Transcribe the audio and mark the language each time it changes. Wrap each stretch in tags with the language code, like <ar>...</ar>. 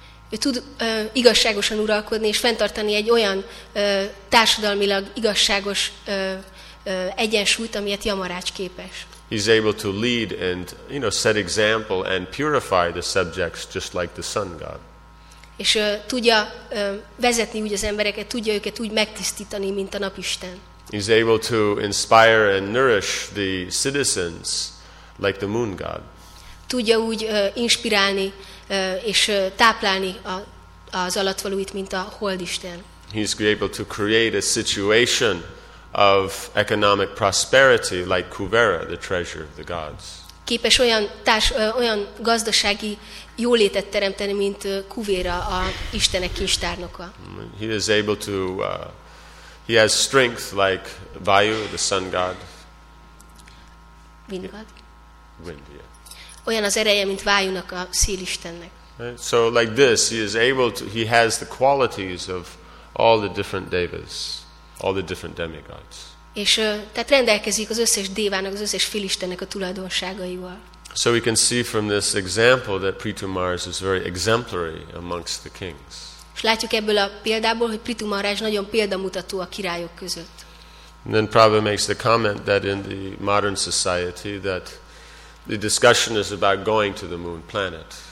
<hu>Ő tud igazságosan uralkodni és fenntartani egy olyan társadalmilag igazságos egyensúlyt, amilyet Yamaraj képes.</hu> <en>He's able to lead and, you know, set example and purify the subjects, just like the sun god.</en> <hu>És tudja vezetni úgy az embereket, tudja őket úgy megtisztítani, mint a napisten.</hu> <en>He's able to inspire and nourish the citizens like the moon god.</en> <hu>Tudja úgy inspirálni és táplálni az alattvalóit, mint a holdisten.</hu> <en>He's able to create a situation of economic prosperity like Kuvera, the treasure of the gods.</en> <hu>Képes olyan gazdasági jólétet teremteni, mint Kuvera, a istenek kincstárnoka.</hu> <en>He is able to He has strength like Vayu, the sun god. Vinvad. Wind, yeah.</en> <hu>Olyan az ereje, mint Vájunak, a szélistennek.</hu> <en>So like this, he is able to, he has the qualities of all the different devas, all the different demigods.</en> <hu>És tehát rendelkezik az összes dévának, az összes filistennek a tulajdonságaival.</hu> <en>So we can see from this example that Prithu Maharaj is very exemplary amongst the kings.</en> <hu>És látjuk ebből a példából, hogy Prithu Maharaj nagyon példamutató a királyok között.</hu> <en>And then Prabhupada makes the comment that in the modern society that the discussion is about going to the moon planet.</en>